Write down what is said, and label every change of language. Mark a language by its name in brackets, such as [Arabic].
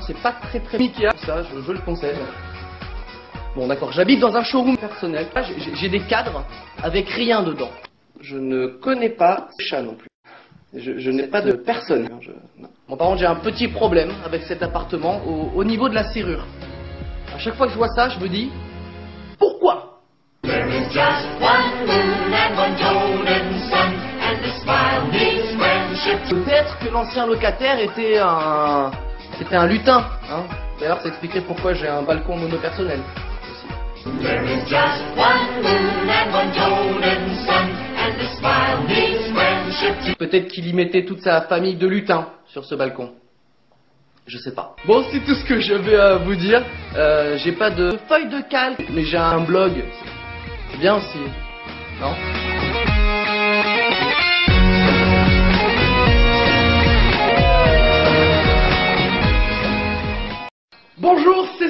[French] C'est pas très très Ikea. Ça, je le conseille. Bon, d'accord, j'habite dans un showroom personnel. J'ai des cadres avec rien dedans. Je ne connais pas ce chat non plus. Je n'ai pas de personne. Bon, par contre, j'ai un petit problème avec cet appartement au niveau de la serrure. À chaque fois que je vois ça, je me dis pourquoi ? [English] There is just one moon and one golden sun, and the smile means friendship. [French] Peut-être que l'ancien locataire était un lutin, hein. D'ailleurs, ça expliquerait pourquoi j'ai un balcon monopersonnel. Thank you. [English] There is just one moon and one golden sun, and the smile means friendship too. [French] Peut-être qu'il y mettait toute sa famille de lutins sur ce balcon. Je sais pas. Bon, c'est tout ce que j'avais à vous dire. J'ai pas de feuille de calque, mais j'ai un blog. C'est bien aussi. Non ? Bonjour, c'est